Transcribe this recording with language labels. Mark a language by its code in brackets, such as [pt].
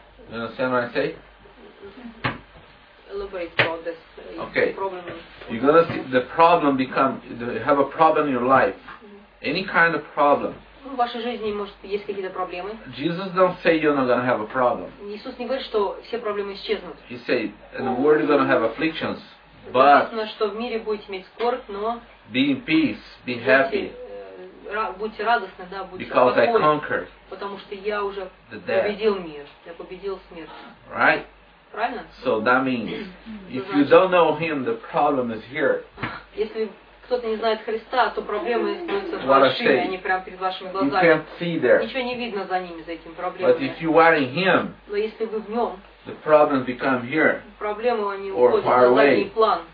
[en] You understand what I say? Okay. You're gonna see the problem become. You have a problem in your life. Any kind of problem. [ru] В вашей жизни может есть какие-то проблемы. [en] Jesus don't say you're not gonna have a problem. [ru] Иисус не говорит, что все проблемы исчезнут. [en] He say in the world you're gonna have afflictions, but. [ru] Понятно, что в мире будете иметь скорбь, но. [en] Be in peace. Be happy. [ru] Будьте радостны, да, будьте. [en] Because I conquered. [ru] Потому что я уже победил мир. Я победил смерть. Right. [en] So that means, if you don't know him, the problem is here. [ru] Если кто-то не знает Христа, то проблемы становятся большими, они прямо перед вашими глазами. [en] You can't see there. [ru] Ничего не видно за ними, за этим проблемами. [en] But if you are in him, [ru] но если вы в нем, [en] the problems become here. [ru] Проблемы они уходят на задний план.